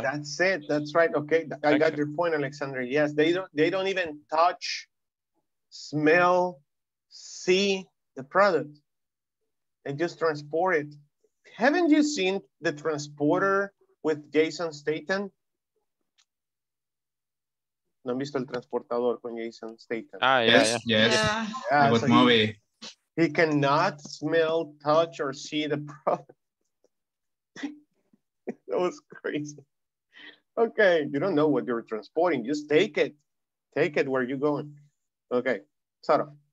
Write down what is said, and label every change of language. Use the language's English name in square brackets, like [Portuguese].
[English] that's it. That's right. Okay, I got your point, Alexander. Yes, they don't even touch, smell, see the product. They just transport it. Haven't you seen the transporter with Jason Statham? [Spanish] ¿No han visto el transportador con Jason Statham? Ah, [English] yes. Yeah. So movie. He cannot smell, touch, or see the product. That was crazy. Okay, you don't know what you're transporting. Just take it. Take it where you're going. Okay, Sara.